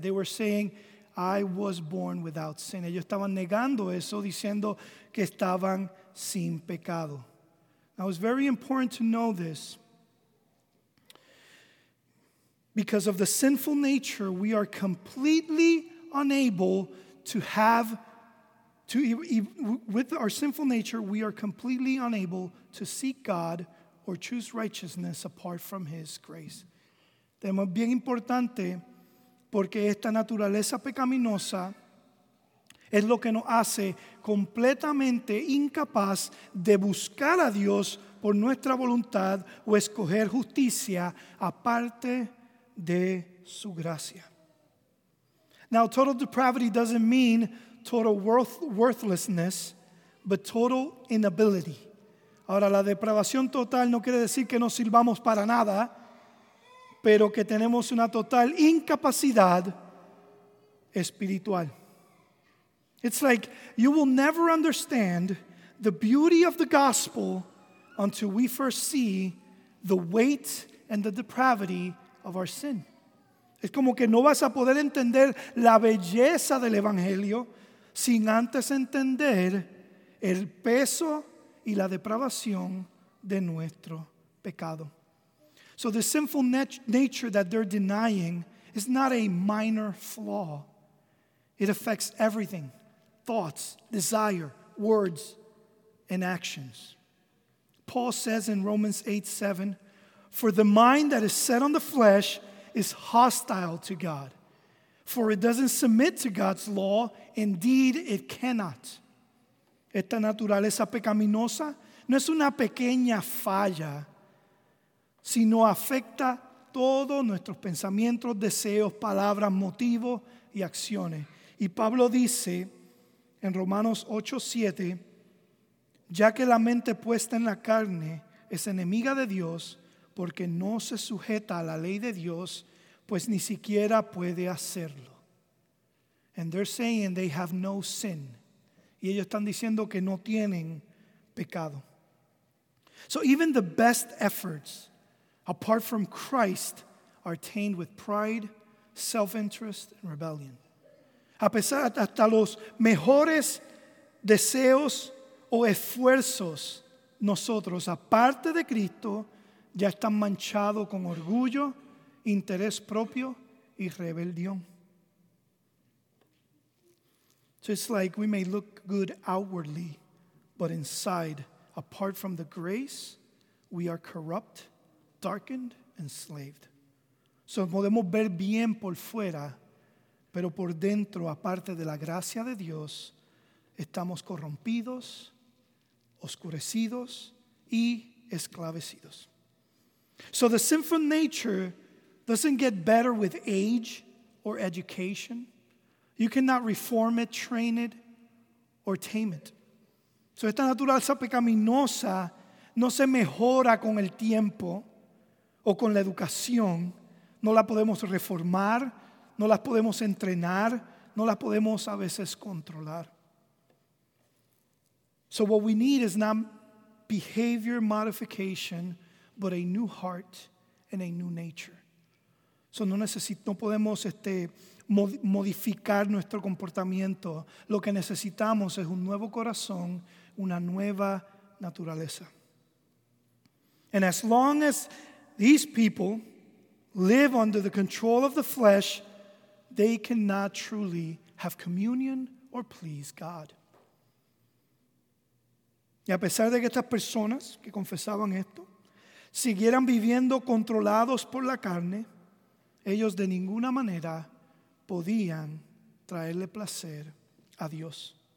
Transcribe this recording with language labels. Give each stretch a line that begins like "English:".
English: They were saying, I was born without sin.
Spanish: Ellos estaban negando eso, diciendo que estaban sin pecado.
English: Now, it's very important to know this. Because of the sinful nature, we are completely unable to have to, with our sinful nature, we are completely unable to seek God or choose righteousness apart from His grace.
Spanish: Tenemos bien importante porque esta naturaleza pecaminosa es lo que nos hace completamente incapaz de buscar a Dios por nuestra voluntad o escoger justicia aparte de su gracia.
English: Now, total depravity doesn't mean total worthlessness, but total inability.
Spanish: Ahora, la depravación total no quiere decir que no sirvamos para nada, pero que tenemos una total incapacidad espiritual.
English: It's like you will never understand the beauty of the gospel until we first see the weight and the depravity of our sin.
Spanish: Es como que no vas a poder entender la belleza del evangelio sin antes entender el peso y la depravación de nuestro pecado.
English: So the sinful nature that they're denying is not a minor flaw. It affects everything: thoughts, desire, words, and actions. Paul says in Romans 8:7, "For the mind that is set on the flesh is hostile to God, for it doesn't submit to God's law. Indeed, it cannot."
Spanish: Esta naturaleza pecaminosa no es una pequeña falla, sino afecta todos nuestros pensamientos, deseos, palabras, motivos y acciones. Y Pablo dice en Romanos 8:7, ya que la mente puesta en la carne es enemiga de Dios, porque no se sujeta a la ley de Dios, pues ni siquiera puede hacerlo.
English: And they're saying they have no sin.
Spanish: Y ellos están diciendo que no tienen pecado.
English: So even the best efforts apart from Christ are tainted with pride, self-interest, and rebellion.
Spanish: A pesar hasta los mejores deseos o esfuerzos, nosotros, aparte de Cristo, ya están manchados con orgullo, interés propio y rebelión.
English: So it's like we may look good outwardly, but inside, apart from the grace, we are corrupt, darkened, enslaved.
Spanish: So podemos ver bien por fuera, pero por dentro, aparte de la gracia de Dios, estamos corrompidos, oscurecidos y esclavecidos.
English: So the sinful nature doesn't get better with age or education. You cannot reform it, train it, or tame it.
Spanish: So esta naturaleza pecaminosa no se mejora con el tiempo o con la educación. No la podemos reformar, no la podemos entrenar, no la podemos a veces controlar.
English: So what we need is not behavior modification, but a new heart and a new nature.
Spanish: So no podemos modificar nuestro comportamiento. Lo que necesitamos es un nuevo corazón, una nueva naturaleza.
English: And as long as these people live under the control of the flesh, they cannot truly have communion or please God.
Spanish: Y a pesar de que estas personas que confesaban esto siguieran viviendo controlados por la carne, ellos de ninguna manera podían traerle placer a Dios.